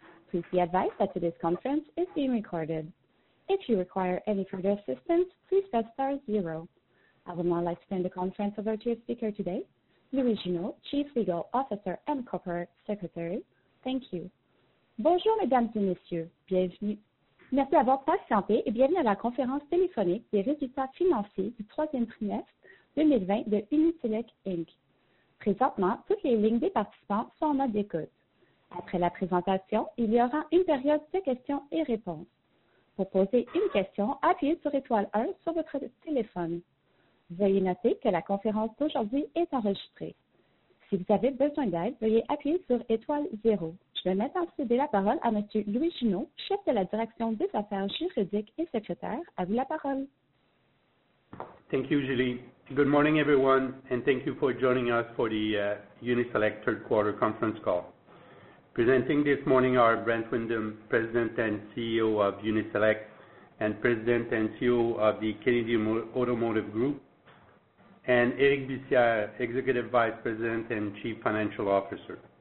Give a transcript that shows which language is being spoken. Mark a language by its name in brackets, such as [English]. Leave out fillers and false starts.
[English] Please be advised that today's conference is being recorded. If you require any further assistance, please press star 0. I would now like to turn the conference over to your speaker today, Louis Junot, Chief Legal Officer and Corporate Secretary. Thank you. [French] Bonjour, mesdames et messieurs. Bienvenue. Merci d'avoir patienté et bienvenue à la conférence téléphonique des résultats financiers du troisième trimestre 2020 de Uniselect Inc. Présentement, toutes les lignes des participants sont en mode d'écoute. Après la présentation, il y aura une période de questions et réponses. Pour poser une question, appuyez sur étoile 1 sur votre téléphone. Veuillez noter que la conférence d'aujourd'hui est enregistrée. Si vous avez besoin d'aide, veuillez appuyer sur étoile 0. Je vais maintenant céder la parole à M. Louis Junot, chef de la direction des affaires juridiques et secrétaire. À vous la parole. [English] Thank you, Julie. Good morning, everyone, and thank you for joining us for the Uniselect third quarter conference call. Presenting this morning are Brent Windham, President and CEO of Uniselect, and President and CEO of the Canadian Automotive Group, and Éric Bissière, Executive Vice President and Chief Financial Officer.